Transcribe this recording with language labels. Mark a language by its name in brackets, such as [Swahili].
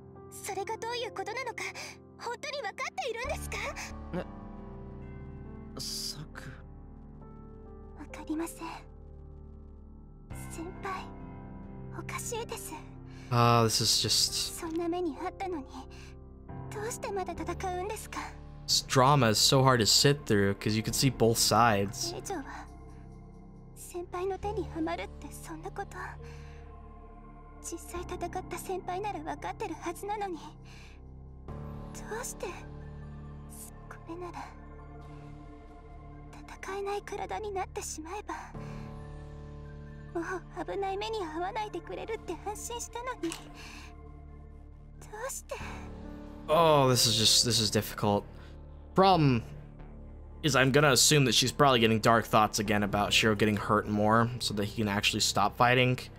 [Japanese] それがどういうことなのか、本当に分かっているんですか？サク… 分かりません。先輩、おかしいです。 [English] This is just… [Japanese] そんな目にあったのに、どうしてまだ戦うんですか？ [English] This drama is so hard to sit through, because you can see both sides. [Japanese] これ以上は、先輩の手にはまるってそんなこと…実際戦った先輩なら分かってるはずなのに、どうしてこれなら戦えない体になってしまえばもう危ない目に遭わないでくれるって安心したのに、どうして。 [English] Oh, this is difficult. Problem is, I'm gonna assume that she's probably getting dark thoughts again about Shiro getting hurt more so that he can actually stop fighting.